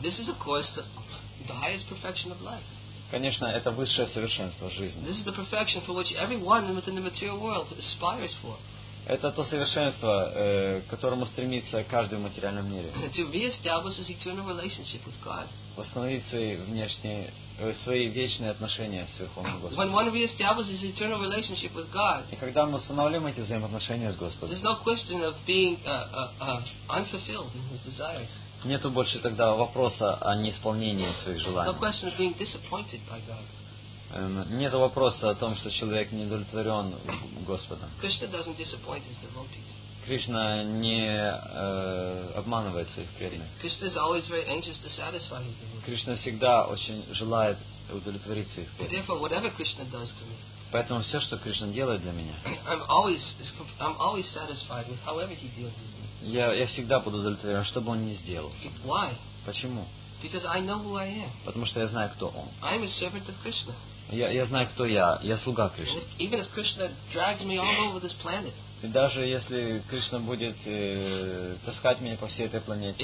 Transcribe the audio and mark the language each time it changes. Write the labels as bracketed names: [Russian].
[English] This is, of course, the highest perfection of life. [Russian] Конечно, это высшее совершенство жизни. [English] This is the perfection for which everyone within the material world aspires for. [Russian] Это то совершенство, к которому стремится каждый в материальном мире. [English] To re-establish his eternal relationship with God. [Russian] Восстановить свои вечные отношения с Верховным Господом. [English] When one re-establishes his eternal relationship with God. [Russian] И когда мы устанавливаем эти взаимоотношения с Господом. [English] There's no question of being unfulfilled in his desires. [Russian] Нету больше тогда вопроса о неисполнении своих желаний. [English] No question of being disappointed by God. [Russian] Нет вопроса о том, что человек не удовлетворен Господом. [English] Krishna doesn't disappoint his devotees. [Russian] Кришна не обманывает своих преданных. [English] Krishna is always very anxious to satisfy his devotees. [Russian] Кришна всегда очень желает удовлетворить своих преданных. [English] Therefore, whatever Krishna does to me. [Russian] Поэтому все, что Кришна делает для меня. [English] I'm always satisfied with however he deals with me. [Russian] Я всегда буду удовлетворен, что бы он ни сделал. [English] Why? [Russian] Почему? [English] Because I know who I am. [Russian] Потому что я знаю, кто он. [English] I am a servant of Krishna. [Russian] Я знаю, кто я. Я слуга Кришны. [English] Even if Krishna drags me all over this planet. [Russian] И даже если Кришна будет таскать меня по всей этой планете.